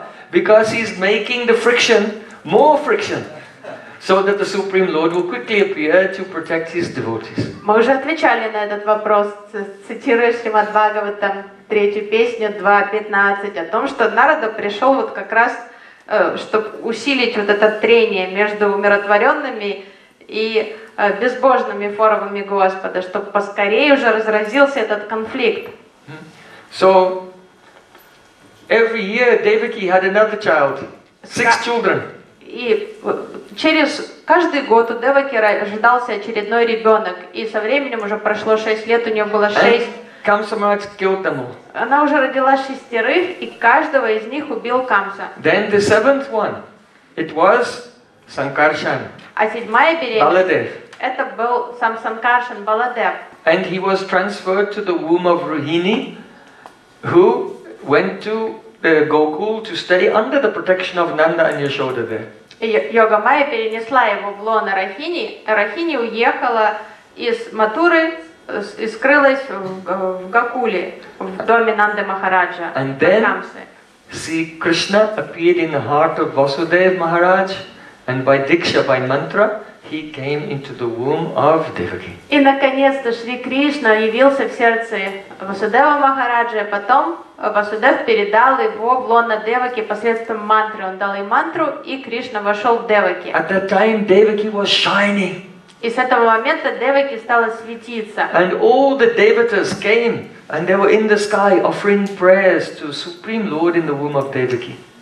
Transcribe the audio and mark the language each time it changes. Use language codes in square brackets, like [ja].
[en] Because he's making the friction more friction, so that the Supreme Lord will quickly appear to protect his devotees. [ru] Мы уже отвечали на этот вопрос, цитируя Шримад Бхагаватам третью песню 2.15, о том, что Нарада пришел вот как раз чтобы усилить вот это трение между умиротворенными и безбожными формами Господа, чтобы поскорее уже разразился этот конфликт. [en] So, Every year Devaki had another child, six children. [ru] И через каждый год у Деваки рождался очередной ребенок, и со временем уже прошло 6 лет, у нее было 6. [en] Камсамат killed them. [ru] Она уже родила 6, и каждого из них убил Камса. [en] Then the seventh one, it was Sankarshan. [ru] А седьмая беременность. Баладев. Это был сам Sankarshan Baladev. [en] And he was transferred to the womb of Rohini, who went to Gokul to study under the protection of Nanda and Yashoda there. [ru] Йогамая перенесла его в лоно Рахини. Рахини уехала из Матуры и скрылась в Гокуле, в доме Нанды Махараджа. [en] And then, see, Krishna appeared in the heart of Vasudev Maharaj, and by Diksha, by Mantra, he came into the womb of Devaki. [ru] И наконец-то Шри Кришна явился в сердце Васудева Махараджа, потом Васудев передал его в лоно Деваки посредством мантры. Он дал ей мантру, и Кришна вошел в Деваки. [en] At that time Devaki was shining. [ru] И с этого момента Деваки стала светиться. [en] And all the devatas came, and they were in the sky offering prayers to Supreme Lord in the womb of Devaki.